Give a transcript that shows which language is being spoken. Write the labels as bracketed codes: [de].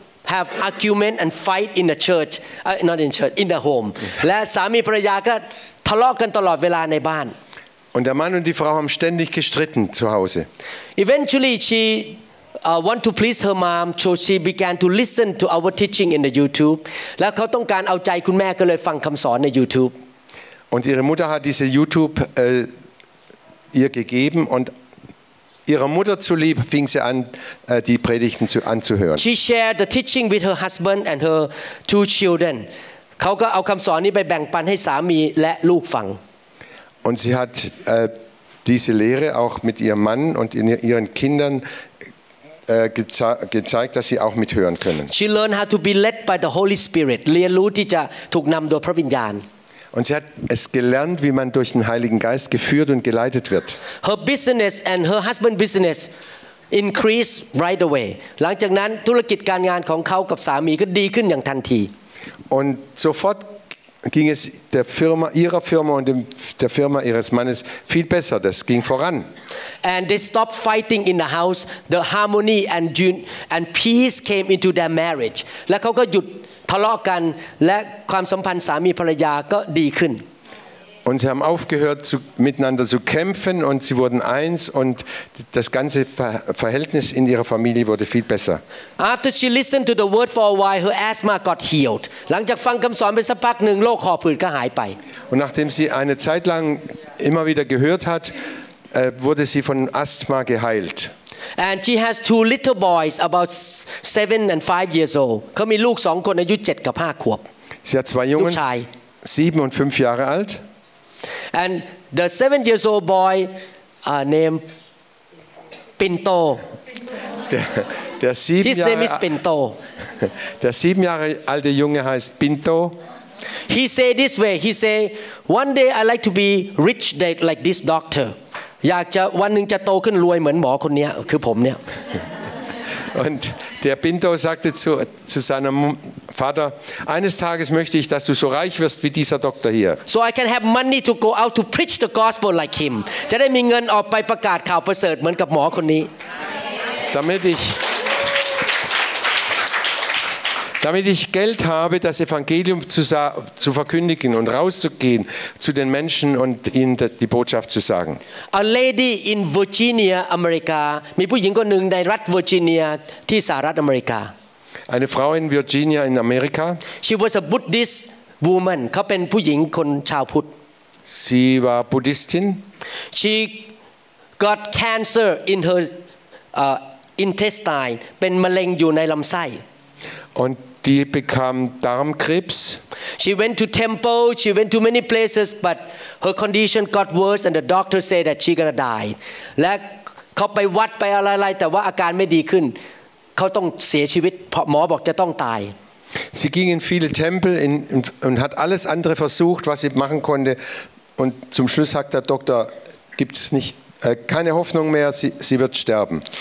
[en] Have argument and fight in the church, not in church, in the home. [th] และสามีภรรยาก็ทะเลาะกันตลอดเวลาในบ้าน [de] Und der Mann und die Frau haben ständig gestritten zu Hause. [en] Eventually, she want to please her mom, so she began to listen to our teaching in the YouTube. [th] และเขาต้องการเอาใจคุณแม่ก็เลยฟังคำสอนใน YouTube. [de] Und ihre Mutter hat diese YouTube ihr gegeben undIrer Mutter zulieb fing sie an, die Predigten anzuhören. [en] She shared the teaching with her husband and her two children. [th] เขาก็เอาคำสอนนี้ไปแบ่งปันให้สามีและลูกฟัง [de] Und sie hat diese Lehre auch mit ihrem Mann und ihren Kindern gezeigt, dass sie auch mithören können. [en] She learned how to be led by the Holy Spirit. [th] เรียนรู้ที่จะถูกนำโดยพระวิญญาณ [de] Und sie hat es gelernt, wie man durch den Heiligen Geist geführt und geleitet wird. [en] Her business and her husband's business increased right away. [th] หลังจากนั้นธุรกิจการงานของเขากับสามีก็ดีขึ้นอย่างทันที [de] Und sofort ging es der Firma ihrer Firma und der Firma ihres Mannes viel besser. Das ging voran. [en] And they stopped fighting in the house. The harmony and peace came into their marriage. [th] และเขาก็หยุดทะเลาะกันและความสัมพันธ์สามีภรรยาก็ดีขึ้น [de] Und sie haben aufgehört miteinander zu kämpfen und sie wurden eins und das ganze Verhältnis in ihrer Familie wurde viel besser. [en] After she listened to the word for a while, her asthma got healed. [th] หลังจากฟังคำสอนไปสักพักหนึ่งโรคหอบหืดก็หายไป [de] Und nachdem sie eine Zeit lang immer wieder gehört hat, wurde sie von Asthma geheilt. [en] And she has two little boys, about 7 and 5 years old. [th] เขามีลูกสองคนอายุ7 กับ 5ขวบ [de] Sie hat zwei Jungen, 7 und 5 Jahre alt. [en] And the 7 years old boy, named Pinto. His name is Pinto. [de] Der 7 Jahre alte Junge heißt Pinto. [en] He say this way. He say, one day I like to be rich like this doctor. [th] อยากจะวันหนึ่งจะโตขึ้นรวยเหมือนหมอคนนี้คือผมเนี่ย [de] Und der Pinto sagte zu seinem Vater, eines Tages möchte ich, dass du so reich wirst wie dieser Doktor hier. [en] So I can have money to go out to preach the gospel like him. [th] จะได้มีเงินออกไปประกาศข่าวประเสริฐเหมือนกับหมอคนนี้ [de] Damit ich Geld habe, das Evangelium zu verkündigen und rauszugehen zu den Menschen und ihnen die Botschaft zu sagen. [en] A lady in Virginia, America, [th] มีผู้หญิงคนหนึ่งในรัฐ Virginia ที่สหรัฐอเมริกา [de] Eine Frau in Virginia in America. [en] She was a Buddhist woman. [th] เขาเป็นผู้หญิงคนชาวพุทธ [de] Sie war Buddhistin. [en] She got cancer in her intestine [th] เป็นมะเร็งอยู่ในลำไส้ [de] Die bekam Darmkrebs. [en] She went to temple. She went to many places, but her condition got worse, and the doctor said that she gonna die. [th] และเขาไปวัดไปอะไรๆแต่ว่าอาการไม่ดีขึ้นเขาต้องเสียชีวิตเพราะหมอบอกจะต้องตาย [de] Sie ging in viele Tempel und hat alles andere versucht, was sie machen konnte, und zum Schluss sagt der Doktor, gibt's nichtKeine Hoffnung mehr, sie wird sterben.